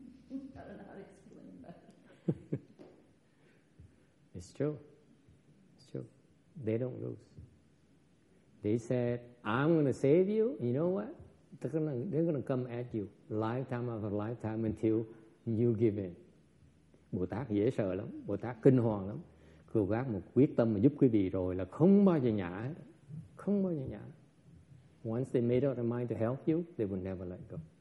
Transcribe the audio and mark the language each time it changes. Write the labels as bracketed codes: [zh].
[en] Thank you. I don't know how to explain that. It's true. It's true. They don't lose. They said, I'm going to save you. You know what? They're going to come at you lifetime after lifetime until you give in. [vi] Bồ Tát dễ sợ lắm, Bồ Tát kinh hoàng lắm. Cố gắng một quyết tâm mà giúp quý vị rồi là không bao giờ nhả, không bao giờ nhả. [en] Once they made up their mind to help you, they will never let go.